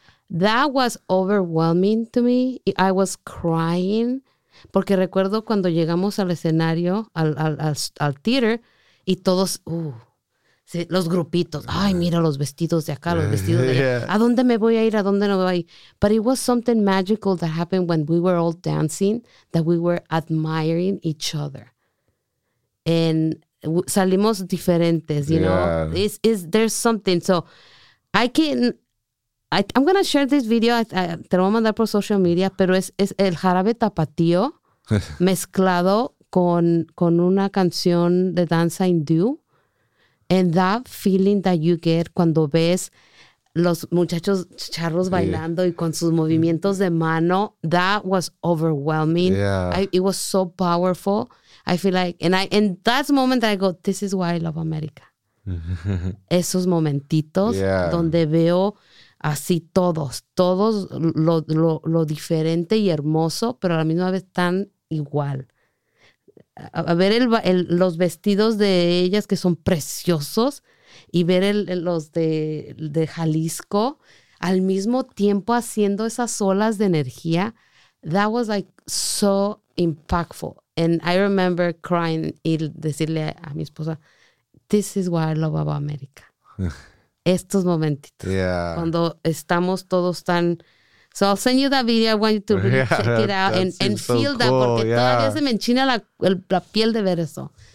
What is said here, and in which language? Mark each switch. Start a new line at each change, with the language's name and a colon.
English: That was overwhelming to me. I was crying.
Spanish: Porque recuerdo cuando llegamos al escenario, al theater, y todos, los grupitos. Ay, mira los vestidos de acá, los vestidos de allá. Yeah. ¿A dónde me voy a ir? ¿A dónde no voy a ir?
English: But it was something magical that happened when we were all dancing, that we were admiring each other. And
Spanish: salimos diferentes,
English: you know? There's something. So I'm going to share this video.
Spanish: Te lo voy a mandar por social media, pero es el jarabe tapatío mezclado con una canción de danza hindú.
English: And that feeling that you get
Spanish: cuando ves los muchachos charros bailando y con sus movimientos de mano,
English: that was overwhelming. Yeah. It was so powerful. I feel like, and that's the moment that I go, this is why I love America.
Spanish: Esos momentitos donde veo así todos lo diferente y hermoso, pero a la misma vez tan igual. A ver los vestidos de ellas que son preciosos y ver los de Jalisco al mismo tiempo haciendo esas olas de energía.
English: That was like so impactful. And I remember crying
Spanish: y decirle a mi esposa,
English: this is why I love about America.
Spanish: Estos momentitos.
English: Yeah.
Spanish: Cuando estamos todos tan...
English: So I'll send you that video. I want you to really check it out and feel so cool. That.
Spanish: Porque todavía se me enchina la piel de ver eso.